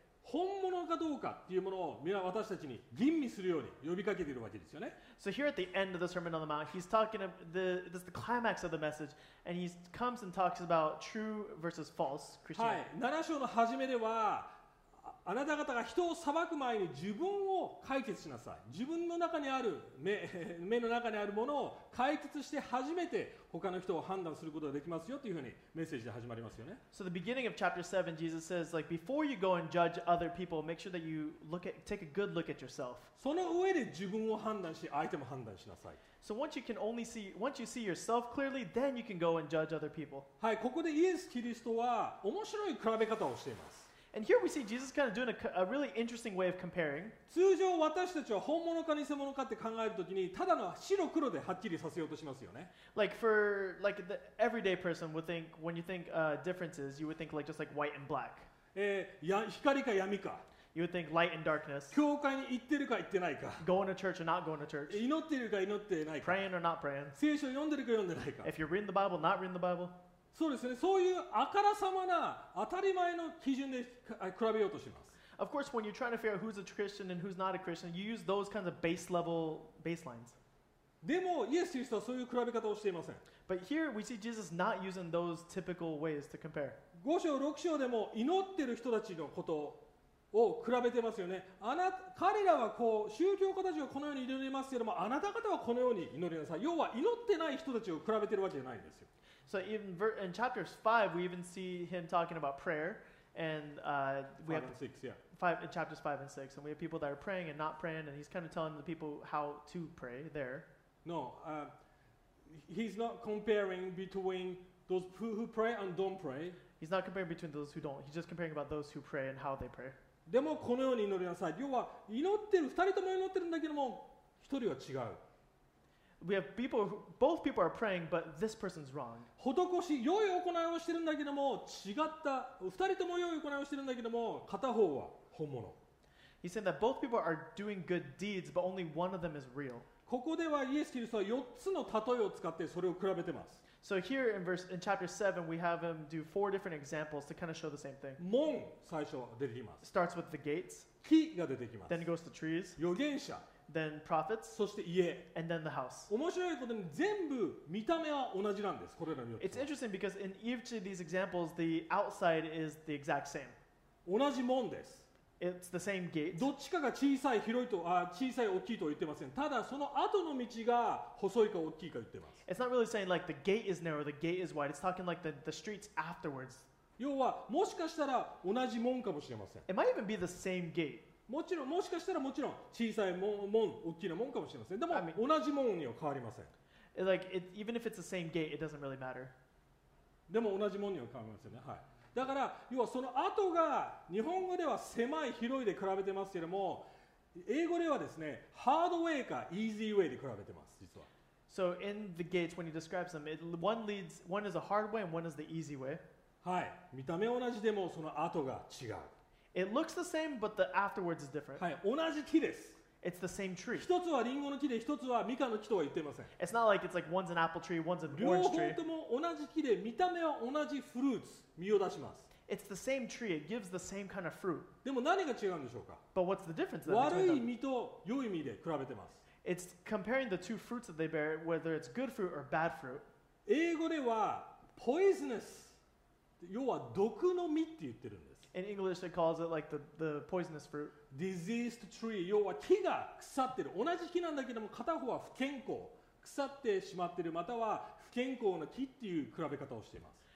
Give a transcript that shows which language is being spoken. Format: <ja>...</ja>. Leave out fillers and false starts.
<ja>本物かどうかっていうものをみんな私たちに吟味するように呼びかけているわけですよね。</ja> <en>So here at the end of the Sermon on the Mount, he's talking of the, this is the climax of the message, and he comes and talks about true versus false Christianity.</en> <ja>はい、7章の始めでは、あなた方が人を裁く前に自分を解決しなさい。自分の中にある目の中にあるものを解決して初めて他の人を判断することができますよというふうにメッセージで始まりますよね。</ja> <en>So the beginning of chapter 7, Jesus says, like, before you go and judge other people, make sure that you look at, take a good look at yourself.</en> <ja>その上で自分を判断し、相手も判断しなさい。</ja> <en>So once you can only see, once you see yourself clearly, then you can go and judge other people.</en> <ja>はい、ここでイエス・キリストは面白い比べ方をしています。</ja> <en>And here we see Jesus kind of doing a really interesting way of comparing.</en> <ja>通常私たちは本物か偽物かって考えるときに、ただの白黒ではっきりさせようとしますよね。</ja> <en>Like for like the everyday person would think when you think differences, you would think like just like white and black.</en> <ja>光か闇か。</ja> <en>You would think light and darkness.</en> <ja>教会に行ってるか行ってないか。</ja> <en>Going to church or not going to church.</en> <ja>祈ってるか祈ってないか。</ja> <en>Praying or not praying.</en> <ja>聖書読んでるか読んでないか。</ja> <en>If you're reading the Bible, not reading the Bible.</en> <ja>そうですね。そういうあからさまな当たり前の基準で比べようとします。</ja> <en>Of course, when you're trying to figure out who's a Christian and who's not a Christian, you use those kinds of base level baselines.</en> <ja>でも、イエス・キリストはそういう比べ方をしていません。</ja> <en>But here we see Jesus not using those typical ways to compare.</en> <ja>五章六章でも祈ってる人たちのことを比べてますよね。彼らはこう宗教家たちはこのように祈りますけども、あなた方はこのように祈りなさい。要は祈ってない人たちを比べてるわけじゃないんですよ。</ja> <en>So even in chapter 5, we even see him talking about prayer. And, we have and six, yeah. Five, in chapters 5 and 6. And we have people that are praying and not praying. And he's kind of telling the people how to pray there. No, he's not comparing between those who pray and don't pray. He's not comparing between those who don't. He's just comparing about those who pray and how they pray.</en> <ja>でもこのように祈りなさい。要は祈ってる、二人とも祈ってるんだけども、一人は違う。</ja> <en>We have people, both people are praying, but this person's wrong.</en> <ja>施し、良い行いをしてるんだけども、違った。二人とも良い行いをしてるんだけども、片方は本物。</ja> <en>He's saying that both people are doing good deeds, but only one of them is real.</en> <ja>ここではイエス・キリストは四つの例えを使ってそれを比べてます。</ja> <en>So here in verse, in chapter 7, we have him do four different examples to kind of show the same thing.</en> <ja>門、最初出てきます。</ja> <en>Starts with the gates.</en> <ja>木が出てきます。</ja> <en>Then it goes to trees.</en> <ja>預言者。</ja> <en>Then prophets,</en> <ja>そして家、</ja> <en>and then the house.</en> <ja>面白いことに全部見た目は同じなんです。これらによって。</ja> <en>It's interesting because in each of these examples, the outside is the exact same.</en> <ja>同じ門です。</ja> <en>It's the same gate.</en> <ja>どっちかが小さい、広いと、小さい、大きいとは言ってません。ただその後の道が細いか大きいか言ってます。</ja> <en>It's not really saying like the gate is narrow, the gate is wide. It's talking like the streets afterwards.</en> <ja>要はもしかしたら同じ門かもしれません。</ja> <en>It might even be the same gate.</en> <ja>もちろん、もしかしたらもちろん小さい門、大きな門かもしれません。でも同じ門には変わりません。</ja> <en>Like, it, even if it's the same gate, it doesn't really matter.</en> <ja>でも同じ門には変わりませんね。はい。だから、要はその後が日本語では狭い、広いで比べてますけども、英語ではですね、ハードウェイかイージーウェイで比べてます、実は。</ja> <en>So in the gates, when he describes them, it, one, leads, one is a hard way and one is the easy way.</en> <ja>はい。見た目同じでもその後が違う。</ja> <en>It looks the same, but the afterwards is different.</en> <ja>はい、同じ木です。</ja> <en>It's the same tree.</en> <ja>一つはリンゴの木で、一つはミカの木とは言ってません。</ja> <en>It's not like it's like one's an apple tree, one's an orange tree.</en> <ja>両方とも同じ木で、見た目は同じフルーツ、実を出します。</ja> <en>It's the same tree. It gives the same kind of fruit.</en> <ja>でも何が違うんでしょうか。</ja> <en>But what's the difference?</en> <ja>悪い実と良い実で比べてます。</ja> <en>It's comparing the two fruits that they bear, whether it's good fruit or bad fruit.</en> <ja>英語では poisonous、要は毒の実って言ってるんです。</ja> <en>In English, it calls it like the poisonous fruit. Diseased tree.</en> <ja>要は木が腐ってる。同じ木なんだけども、片方は不健康、腐ってしまってる、または不健康な木っていう比べ方をしています。</ja>